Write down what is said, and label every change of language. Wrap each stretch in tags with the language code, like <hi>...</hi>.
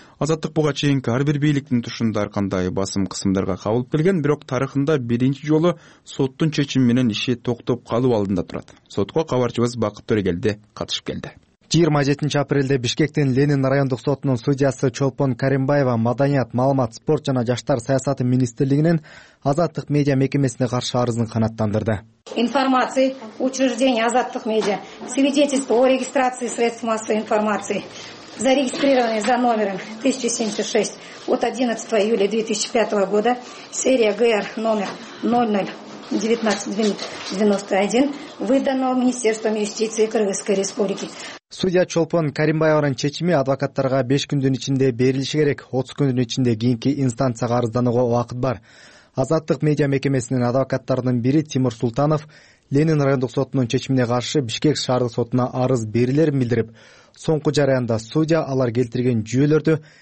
<ky>Азаттык буга чейинки ар бир бийликтин тушунда ар кандай басым кысымдарга кабылып келген, бирок тарыхында биринчи жолу соттун чечими менен иши токтоп калуу алдында турат. Сотко кабарчыбыз Бакыт Төрөгелди катышып келди. 27 апрелде Бишкектин Ленин райондук сотунун судьясы Чолпон Каримбаева маданият, маалымат, спорт жана жаштар саясаты министрлигинин Азаттык медиа мекемесине каршы арызын канааттандырды.</ky> <ru>Информация учреждения Азаттык медиа, свидетельство о регистрации средств массовой информации, зарегистрированные за номером 1076 от 11 июля 2005 года, серия ГР номер 00-19-91, выданного Министерством юстиции Кыргызской Республики.</ru> <ky>Судья Чолпон Каримбаевнын чечими адвокаттарга 5 күндүн ичинде берилиши керек. 30 күндүн ичинде кийинки инстанцияга арызданууга убакыт бар. Азаттык медиа мекемесинин адвокаттарынын бири Тимур Султанов Ленин райондук сотунун чечимине каршы Бишкек шаардык сотуна арыз берилерин билдирип, соңку жараянда судья алар келтирген жүйөлөрдү</ky>